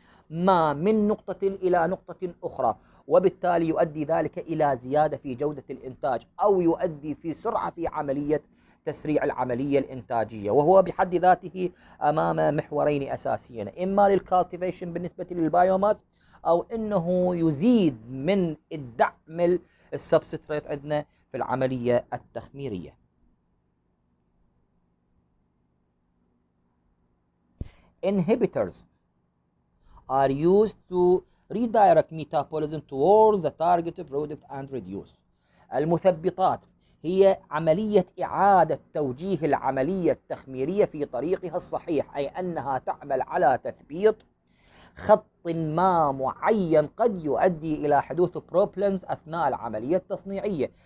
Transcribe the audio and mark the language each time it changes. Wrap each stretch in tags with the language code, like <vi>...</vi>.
<ar>ما من نقطة إلى نقطة أخرى، وبالتالي يؤدي ذلك إلى زيادة في جودة الإنتاج أو يؤدي في سرعة في عملية تسريع العملية الإنتاجية، وهو بحد ذاته أمام محورين أساسيين، إما للكالتيفيشن بالنسبة للبايوماس أو أنه يزيد من الدعم السبستريت عندنا في العملية التخميرية.</ar> <en>Inhibitors are used to redirect metabolism towards the target product and reduce.</en> <ar>المثبطات هي عملية إعادة توجيه العملية التخميرية في طريقها الصحيح، أي أنها تعمل على تثبيط خط ما معين قد يؤدي إلى حدوث problems أثناء العملية التصنيعية.</ar>